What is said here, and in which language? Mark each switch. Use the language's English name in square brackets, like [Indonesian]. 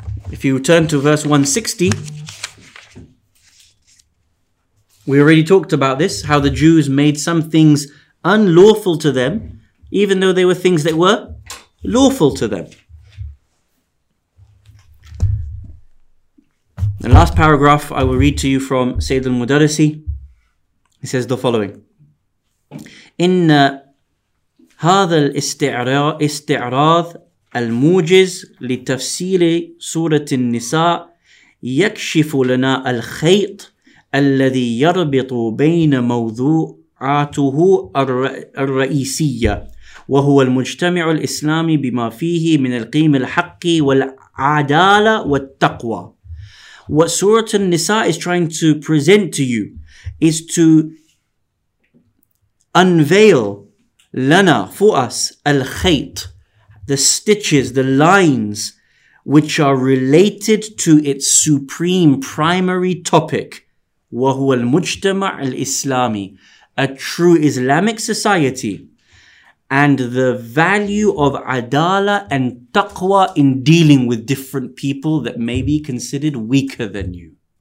[English] If you turn to verse 160, we already talked about this, how the Jews made some things unlawful to them, even though they were things that were lawful to them. The last paragraph I will read to you from Sayyid al-Mudarrisi. He says the following. [Arabic] إن هذا الاستعراض الموجز لتفسير سورة النساء يكشف لنا الخيط الذي يربط بين موضوعاته الرئيسية وهو المجتمع الإسلامي بما فيه من القيم الحق والعدالة والتقوى. [English] What Surah An-Nisa is trying to present to you is to unveil lana, for us, al-khayt, the stitches, the lines, which are related to its supreme primary topic, [Arabic] وَهُوَ الْمُجْتَمَعِ الْإِسْلَامِ, [English] a true Islamic society, and the value of adala and taqwa in dealing with different people that may be considered weaker than you.